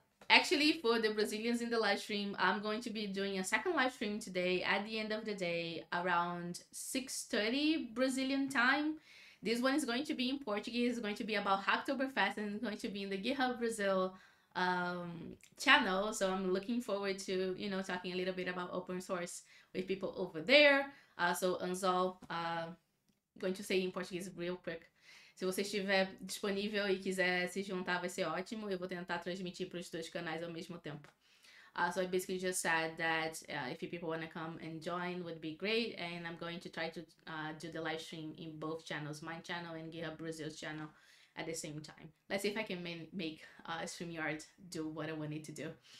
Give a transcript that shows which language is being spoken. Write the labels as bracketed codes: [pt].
[en] Actually, for the Brazilians in the live stream, I'm going to be doing a second live stream today at the end of the day around 6:30 Brazilian time. This one is going to be in Portuguese. It's going to be about Hacktoberfest and it's going to be in the GitHub Brazil channel. So I'm looking forward to, you know, talking a little bit about open source with people over there. So Anzol, going to say in Portuguese real quick. [pt] Se você estiver disponível e quiser se juntar, vai ser ótimo. Eu vou tentar transmitir para os dois canais ao mesmo tempo. [en] So I basically just said that if you people want to come and join, would be great. And I'm going to try to do the live stream in both channels, my channel and GitHub Brazil's channel at the same time. Let's see if I can make StreamYard do what I wanted to do.